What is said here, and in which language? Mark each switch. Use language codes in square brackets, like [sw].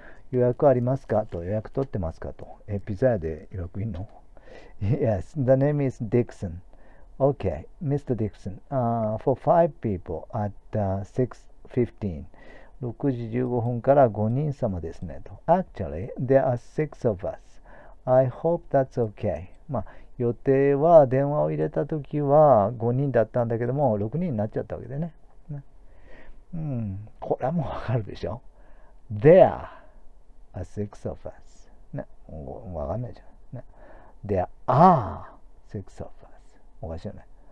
[ja] 予約ありますかと、予約取ってますかと。ピザ屋で予約いんの [en] ?Yes, the name is Dixon.Okay, Mr. Dixon. For five people at 6:15. [ja] 6時15分から5人様ですねと。 [en] Actually, there are six of us.I hope that's okay. [ja] まあ、予定は電話を入れたときは5人だったんだけども、6人になっちゃったわけでね。これはもうわかるでしょ。 [en] There are six of us. [ja] ね、わかんないじゃん。 [en] ね、There are six of us. [ja] おかしいよね。